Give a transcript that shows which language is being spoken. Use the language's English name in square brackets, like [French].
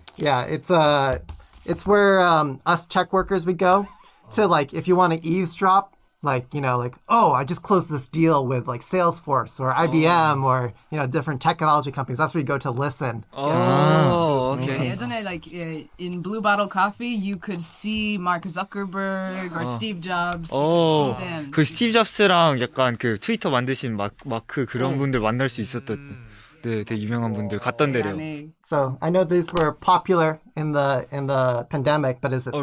[English] Yeah, it's where us tech workers would go to, like, if you want to eavesdrop, like, you know, like, oh, I just closed this deal with, like, Salesforce or IBM or, you know, different technology companies. That's where you go to listen. Okay. Isn't it, like, in Blue Bottle Coffee, you could see Mark Zuckerberg or Steve Jobs. Oh. [Korean] 그 스티브 잡스랑 약간 그 트위터 만드신 마크 그런 분들 만날 수 있었던 네, 되게 유명한 분들 갔던 데래요. [English] So, I know these were popular in the pandemic, but is it still